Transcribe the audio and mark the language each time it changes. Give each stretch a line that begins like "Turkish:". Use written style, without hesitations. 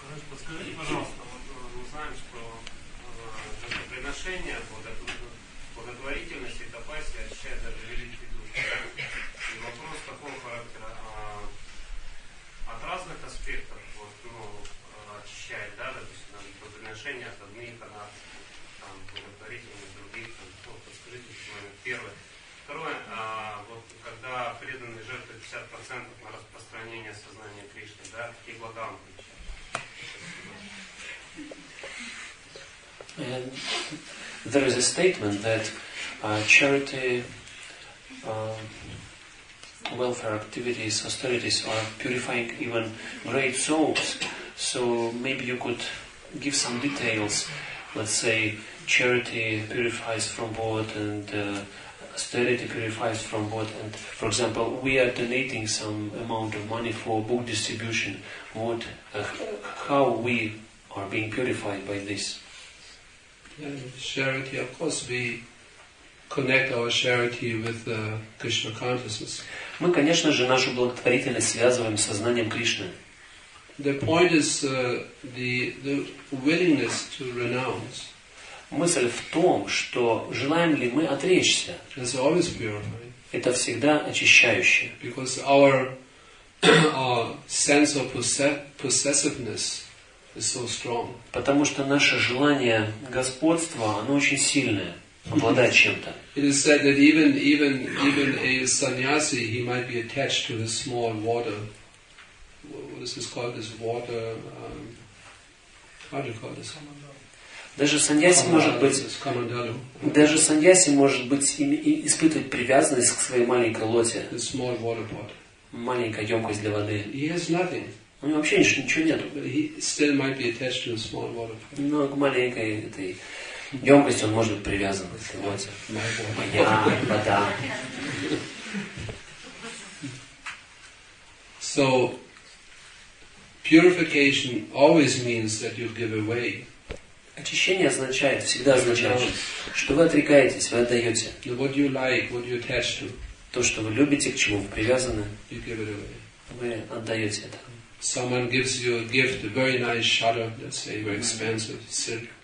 Russian: Подскажите, пожалуйста, мы знаем, что приношение, благотворительность и тапаси очищает даже великие души. И вопрос такого характера, от разных аспектов вот, ну, очищает, да, допустим, там, приношение от одних, она там благотворительность других, там, ну, подскажите, момент первый. Второе, вот когда преданный жертвует 50% на распространение сознания Кришны, да, какие блага он получает?
English: And there is a statement that charity, welfare activities, austerities are purifying even great souls. So maybe you could give some details. Let's say charity purifies from what and austerity purifies from what? And for example, we are donating some amount of money for book distribution. What? How we are being purified by this? Charity, of course, we connect our charity with Krishna consciousness.
Russian: Мы, конечно же, нашу благотворительность связываем с сознанием Кришны.
English: The point is the willingness to renounce.
Russian: Мысль в том, что желаем ли мы отречься.
English: It's always purifying.
Russian: Это всегда очищающее.
English: Because our sense of possessiveness is so strong.
Russian: Потому что наше желание господства, оно очень сильное, обладать чем-то.
English: It is said that even a sannyasi, he might be attached to a small water. What is this called? This water. How do you call this?
Russian: Даже саньяси может быть, испытывать привязанность к своей маленькой лоте, маленькой емкости для воды.
English: He has nothing.
Russian: У него вообще ничего нет.
English: He still might be attached to a small water pot.
Russian: Но к маленькой этой емкости он может быть привязан к своей лоте. Моя вода.
English: So purification always means that you give away.
Russian: Очищение означает, всегда означает, что вы отрекаетесь, вы отдаете.
English: What you like, what you attach to.
Russian: То, что вы любите, к чему вы привязаны,
English: you give it away.
Russian: Вы отдаете это.
English: Someone gives you a gift, a very nice shadow, let's say, very expensive silk.